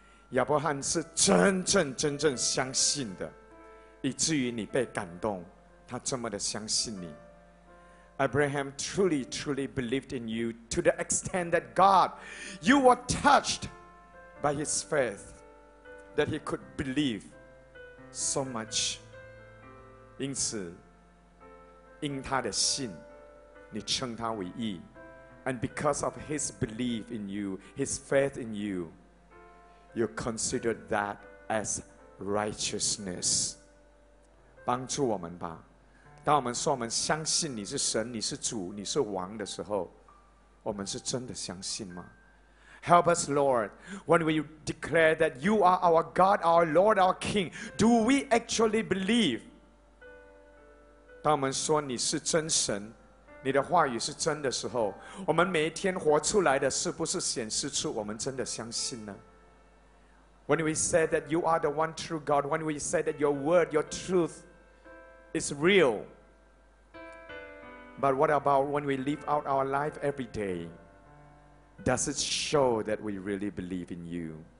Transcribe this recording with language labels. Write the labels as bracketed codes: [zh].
[zh] 亚伯拉罕是真正相信的。以至于你被感动，他这么的相信你。 [en] Abraham truly, truly believed in you to the extent that God, you were touched by his faith, that he could believe so much. [zh] 因此，因他的信，你称他为义。 [en] And because of his belief in you, his faith in you, you considered that as righteousness. [zh] 帮助我们吧，当我们说我们相信你是神，你是主，你是王的时候，我们是真的相信吗？ [en] Help us Lord, when we declare that you are our God, our Lord, our King, do we actually believe? [zh] 当我们说你是真神，你的话语是真的时候，我们每一天活出来的是不是显示出我们真的相信呢？ [en] When we say that you are the one true God, when we say that your word, your truth is real. But what about when we live out our life every day? Does it show that we really believe in you?